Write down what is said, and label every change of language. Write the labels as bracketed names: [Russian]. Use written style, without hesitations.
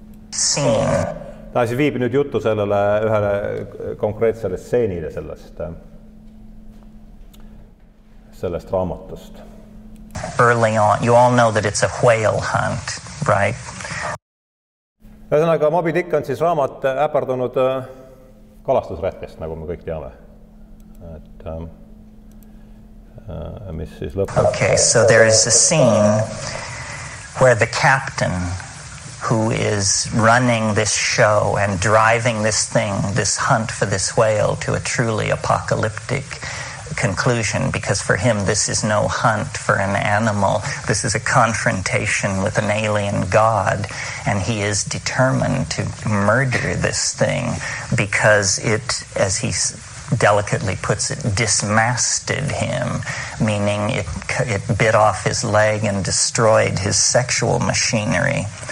[Estonian] Ta siis viib nüüd juttu sellele ühele konkreetsele seenile sellest raamatust. [English] Early on, you all know that it's a whale hunt, right? [Estonian] Ühesõnaga, Moby Dick on siis raamat äpardunud kalastusretkest, nagu me kõik teame. Mis siis lõpeb. [English] Okay, so there is a scene where the captain who is running this show and driving this thing, this hunt for this whale to a truly apocalyptic conclusion, because for him this is no hunt for an animal, this is a confrontation with an alien god, and he is determined to murder this thing because it, as he delicately puts it, dismasted him, meaning it bit off his leg and destroyed his sexual machinery.